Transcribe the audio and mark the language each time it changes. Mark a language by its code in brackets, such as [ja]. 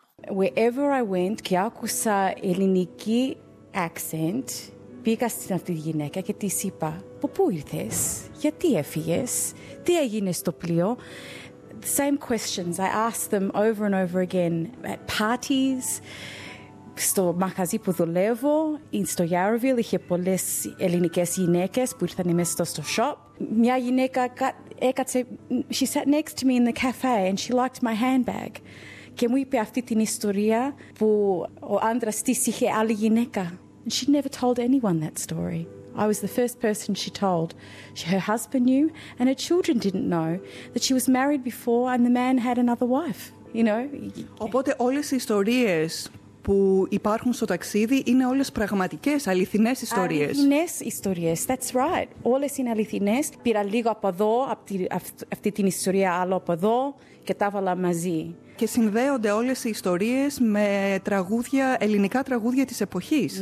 [en] Wherever I went [el] και άκουσα ελληνική accent, πήγα στην αυτή τη γυναίκα και της είπα, «Πού ήρθες, γιατί έφυγες, τι έγινε στο πλοίο?» [en] The same questions I ask them over and over again at parties. [el] Στο μαχαζί που δουλεύω, στο Yarraville, είχε πολλές ελληνικές γυναίκες που ήρθαν μέσα στο shop. Μια γυναίκα έκατσε, [en] she sat next to me in the cafe and she liked my handbag. [el] Και μου είπε αυτή την ιστορία που ο άντρας της είχε άλλη γυναίκα. [en] And she never told anyone that story. I was the first person she told. Her husband knew and her children didn't know that she was married before and the man had another wife, you know. [el] Οπότε όλες οι ιστορίες που υπάρχουν στο ταξίδι είναι όλες πραγματικές, αληθινές ιστορίες. Αληθινές ιστορίες, [en] that's right. [el] Όλες είναι αληθινές. Πήρα λίγο από εδώ, αυτή την ιστορία άλλο από εδώ και τα βάλα μαζί. Και συνδέονται όλες οι ιστορίες με τραγούδια, ελληνικά τραγούδια της εποχής.